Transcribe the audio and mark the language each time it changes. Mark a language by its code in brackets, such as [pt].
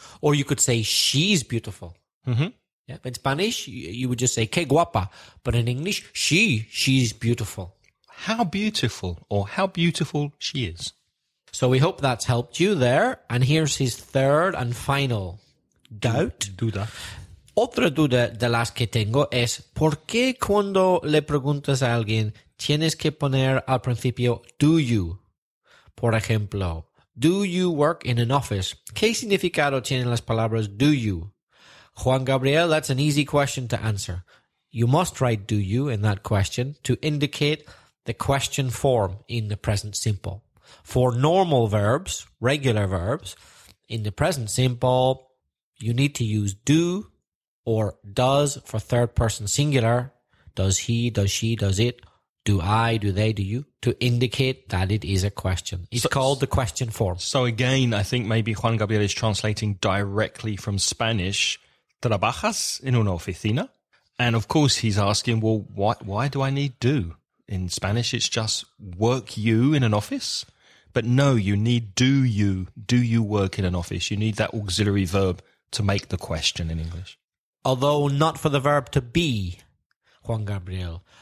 [en] Or you could say she's beautiful. Mm-hmm. Yeah, in Spanish, you would just say, [es] qué guapa. [en] But in English, she's beautiful. How beautiful, or how beautiful she is. So we hope that's helped you there. And here's his third and final doubt. [es] Duda. Otra duda de las que tengo es, ¿por qué cuando le preguntas a alguien, tienes que poner al principio, do you? Por ejemplo, [en] do you work in an office? [es] ¿Qué significado tienen las palabras do you? [en] Juan Gabriel, that's an easy question to answer. You must write do you in that question to indicate the question form in the present simple. For normal verbs, regular verbs, in the present simple, you need to use do or does for third person singular. Does he, does she, does it, do I, do they, do you, to indicate that it is a question. It's called the question form. So again, I think maybe Juan Gabriel is translating directly from Spanish. [es] Trabajas en una oficina? [en] And of course he's asking, well, why do I need do? In Spanish, it's just work you in an office. But no, you need do you. Do you work in an office? You need that auxiliary verb to make the question in English. Although not for the verb to be, Juan Gabriel.